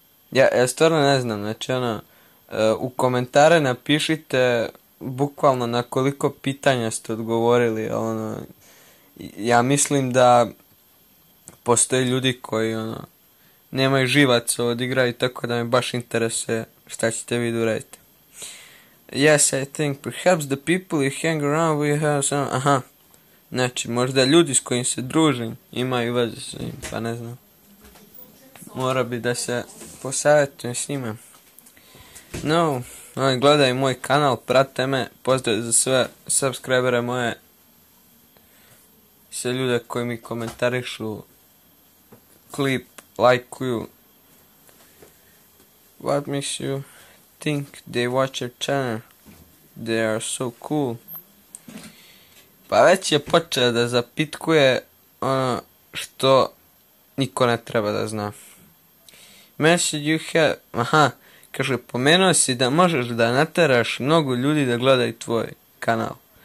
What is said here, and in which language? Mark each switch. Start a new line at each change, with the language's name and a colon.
Serbian: Ja stvarno ne znam, znači ono, u komentare napišite bukvalno na koliko pitanja ste odgovorili, ono, ja mislim da postoje ljudi koji, ono, nemaju živac od igra i tako da me baš interese šta ćete vi uraditi.
English: Yes, I think perhaps the people you hang around with have some, aha.
Serbian: Znači, možda ljudi s kojim se družim imaju veze s njim, pa ne znam. Mora bi da se posavetujem s njima. No, gledaj moj kanal, prate me, pozdrav za sve subscribere moje. Sve ljude koji mi komentarišu, klip, lajkuju.
English: What makes you think they watch your channel? They are so cool.
Serbian: Pa već je počeo da zapitkuje ono što niko ne treba da zna.
English: Message you have,
Serbian: aha, kaže, pomenuo si da možeš da nateraš mnogo ljudi da gledaju tvoj kanal.